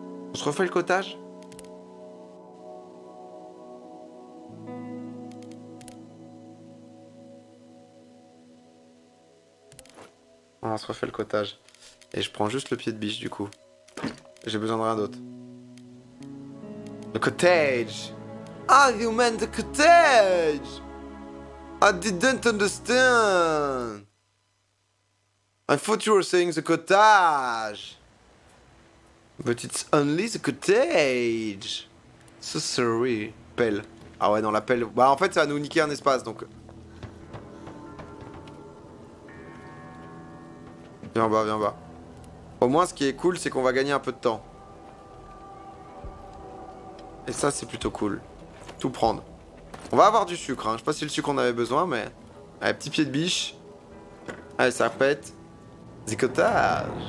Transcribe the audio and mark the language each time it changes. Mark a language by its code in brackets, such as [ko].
[fr] On se refait le cottage ? On se refait le cottage. Et je prends juste le pied de biche, du coup. J'ai besoin de rien d'autre. Le cottage! [en] Ah, you meant the cottage! I didn't understand! I thought you were saying the cottage! But it's only the cottage! So sorry. [fr] Pelle. Ah ouais, non, la pelle... Bah, en fait, ça va nous niquer un espace, donc... Viens bas, viens bas. Au moins, ce qui est cool, c'est qu'on va gagner un peu de temps. Et ça, c'est plutôt cool. Tout prendre. On va avoir du sucre, hein. Je sais pas si c'est le sucre qu'on avait besoin, mais... Allez, petit pied de biche. Allez, ça pète. Zicotage.